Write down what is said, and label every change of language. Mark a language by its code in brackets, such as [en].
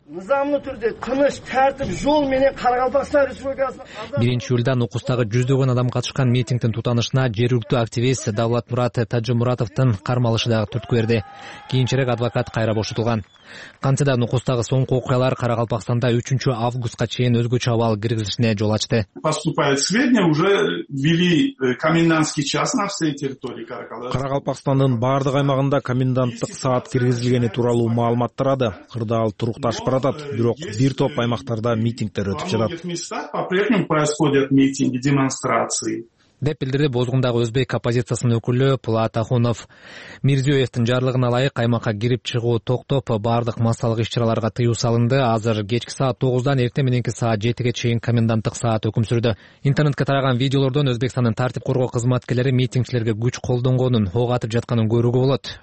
[ky] Мыйзамдуу түрдө тыныч тартип жол менен Карагалпакстан Республикасына 1 июлдан укустагы жүздөгөн адам катышкан митингдин тутанышына жергиликтүү активист Давлат Мурат Тажымуратовдун кармалышы дагы түрткү берди. Кийинчерээк адвокат кайра бошотулган. Кантсе да Нукустагы соңку окуялар Карагалпакстанда 3 августка чейин өзгөчө абал киргизишине жол ачты. [ru] Поступают сведения, уже ввели комендантский час на всей территории Карагалпакстана. [ky] Карагалпакстандын баардык аймагында коменданттык саат киргизилгени тууралуу маалымат тарады. Кырдаал турукташып баратат, бирок бир топ аймактарда митингдер өтүп жатат. [ru] По-прежнему происходят митинги, демонстрации. [ky] Деп билдирди Бозгундагы өзбек оппозициясынын өкүлү Пулат Ахунов. Мирзиёевдин жарлыгына ылайык аймакка кирип чыгуу токтоп, баардык массалык иш-чараларга тыюу салынды. Азыр кечки саат 9:00 эртең мененки саат 7:00 чейин коменданттык саат өкүм сүрдү. Интернетке тараган видеолордон Өзбекстандын тартип коргоо кызматкерлери митингчилерге күч колдонгонун, ок атып жатканын көрүүгө болот.